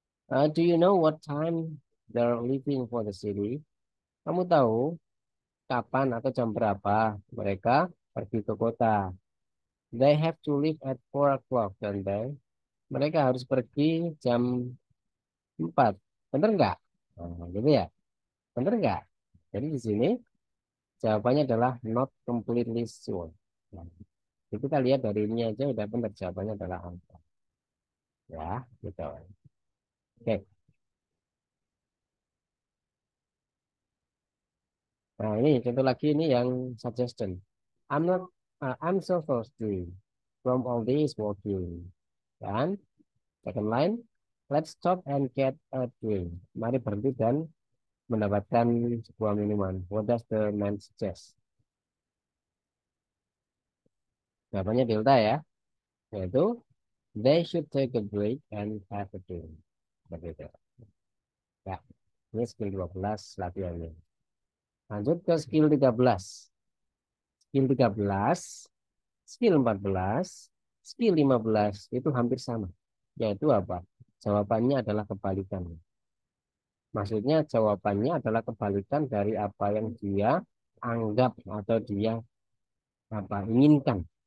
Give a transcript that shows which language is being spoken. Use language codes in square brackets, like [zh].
[en] Do you know what time they're leaving for the city? [id] Kamu tahu kapan atau jam berapa mereka pergi ke kota? [en] They have to leave at 4 o'clock, don't they? [id] Mereka harus pergi jam 4. Bener nggak? Nah, gitu ya. Bener nggak? Jadi di sini jawabannya adalah [en] not completely sure. [id] Nah, jadi kita lihat dari ini aja udah benar jawabannya adalah angka. Ya, gitu. Oke. Nah, ini contoh lagi ini yang suggestion. [en] I'm so thirsty from all this walking. [id] Dan [en] second line, let's stop and get a drink. [id] Mari berhenti dan mendapatkan sebuah minuman. [en] What does the man suggest? [id] Jawabannya delta ya. Yaitu, [en] they should take a break and have a drink. [id] Berbeda. Ya, ini skill 12 latihannya. Lanjut ke skill 13. Skill 13, skill 14, skill 15 itu hampir sama. Yaitu apa? Jawabannya adalah kebalikan. Maksudnya jawabannya adalah kebalikan dari apa yang dia anggap atau dia apa inginkan.